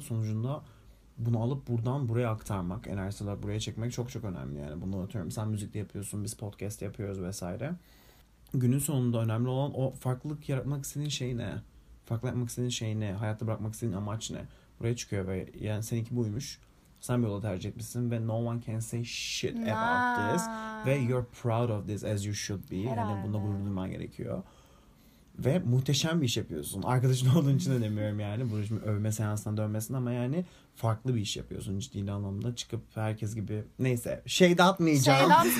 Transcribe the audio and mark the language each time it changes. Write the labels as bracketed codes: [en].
[tr] Sonucunda bunu alıp buradan buraya aktarmak, enerjisi olarak buraya çekmek çok çok önemli. Yani bunu atıyorum. Sen müzik de yapıyorsun, biz podcast yapıyoruz vesaire. Günün sonunda önemli olan o farklılık yaratmak istediğin şey ne? Farklı yapmak istediğin şey ne? Hayatta bırakmak istediğin amaç ne? Buraya çıkıyor ve yani seninki buymuş. Sen bir yola tercih etmişsin ve [en] no one can say shit about this. Ve you're proud of this as you should be. [tr] Herhalde. Yani bunda gurur duyman gerekiyor. Ve muhteşem bir iş yapıyorsun. Arkadaşın olduğun için de demiyorum yani. Bunu şimdi övme seansına dönmesin ama yani farklı bir iş yapıyorsun ciddi anlamda. Çıkıp herkes gibi neyse shade atmayacağım.